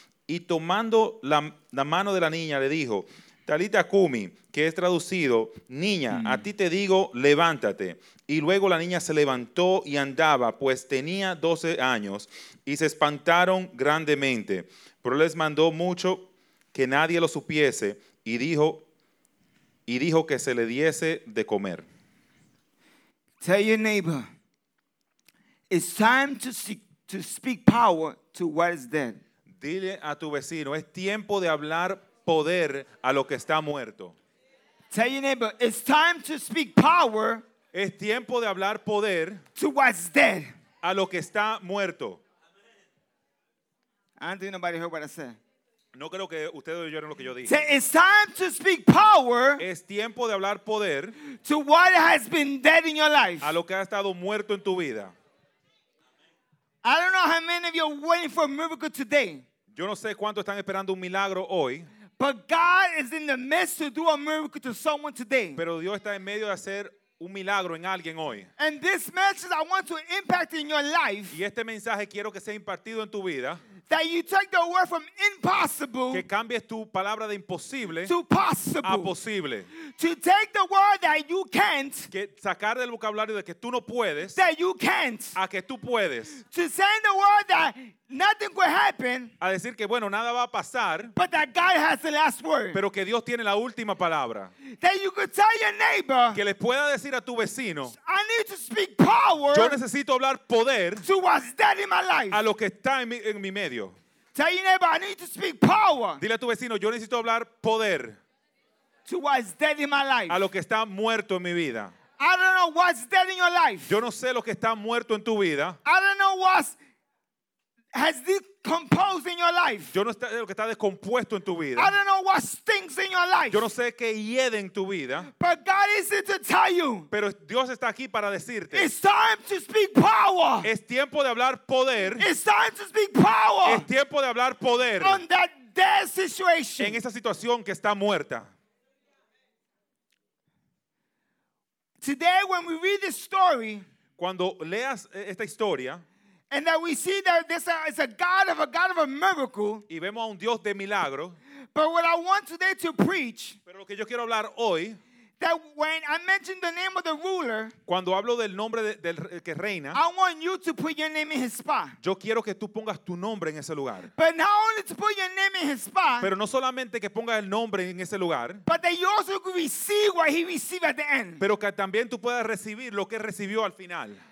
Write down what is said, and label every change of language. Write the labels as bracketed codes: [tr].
[es] Y tomando la mano de la niña, le dijo, Talita kumi, que es traducido, niña, a ti te digo, levántate. Y luego la niña se levantó y andaba, pues tenía 12 años, y se espantaron grandemente. Pero les mandó mucho que nadie lo supiese, y dijo que se le diese de comer. [en] Tell your neighbor, it's time to speak power to what is dead. [es] Dile a tu vecino, es tiempo de hablar poder a lo que está muerto. [en] Tell your neighbor, it's time to speak power. [es] Es tiempo de hablar poder [en] to what's dead. [es] A lo que está muerto. [en] I don't think nobody heard what I said. [es] No creo que ustedes oyeron lo que yo dije. [en] Say, it's time to speak power. [es] Es tiempo de hablar poder. [en] To what has been dead in your life. [es] A lo que ha estado muerto en tu vida. [en] I don't know how many of you are waiting for a miracle today. [es] Yo no sé cuántos están esperando un milagro hoy. [en] But God is in the midst to do a miracle to someone today. [es] Pero Dios está en medio de hacer un milagro en alguien hoy. [en] And this message I want to impact in your life. [es] Y este mensaje quiero que sea impartido en tu vida. [en] That you take the word from impossible. [es] Que cambies tu palabra de imposible. [en] To possible. [es] A posible. [en] To take the word that you can't. [es] Que sacar del vocabulario de que tú no puedes. [en] That you can't. [es] A que tú puedes. [en] To send the word that nothing will happen. [es] A decir que bueno, nada va a pasar. [en] But that God has the last word. [es] Pero que Dios tiene la última palabra. [en] That you could tell your neighbor. [es] Que le pueda decir a tu vecino. [en] I need to speak power. [es] Yo necesito hablar poder. [en] To what's dead in my life. [es] A lo que está en mi medio. [en] Tell your neighbor, I need to speak power. [es] Dile a tu vecino, yo necesito hablar poder. [en] To what's dead in my life. [es] A lo que está muerto en mi vida. [en] I don't know what's dead in your life. [es] Yo no sé lo que está muerto en tu vida. [en] I don't know what's has decomposed in your life. [es] Yo no sé lo que está descompuesto en tu vida. [en] I don't know what stinks in your life. [es] Yo no sé qué hiede en tu vida. [en] But God is here to tell you. [es] Pero Dios está aquí para decirte. [en] It's time to speak power. [es] Es tiempo de hablar poder. [en] It's time to speak power. [es] Es tiempo de hablar poder. [en] On that dead situation. [es] En esa situación que está muerta. [en] Today when we read this story. [es] Cuando leas esta historia. [en] And that we see that this is a God of a miracle. [es] Y vemos a un Dios de milagro. [en] But what I want today to preach. [es] Pero lo que yo quiero hablar hoy. [en] That when I mention the name of the ruler. [es] Cuando hablo del nombre del que reina. [en] I want you to put your name in his spot. [es] Yo quiero que tú pongas tu nombre en ese lugar. [en] But not only to put your name in his spot. [es] Pero no solamente que pongas el nombre en ese lugar. [en] But that you also could receive what he received at the end. [es] Pero que también tú puedas recibir lo que recibió al final.